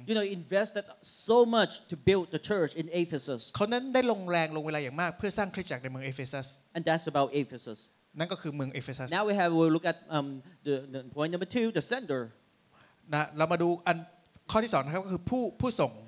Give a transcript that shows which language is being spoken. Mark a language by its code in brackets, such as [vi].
[en] You know invested so much to build the church in Ephesus [th] คนนั้นได้ลงแรงลงเวลาอย่างมากเพื่อสร้างคริสตจักรในเมืองเอเฟซัส [en] And that's about Ephesus [th] นั่นก็คือเมืองเอเฟซัส [en] Now we'll look at the point number 2 the sender [th] นะเรามาดูอันข้อที่2นะครับก็คือผู้ส่ง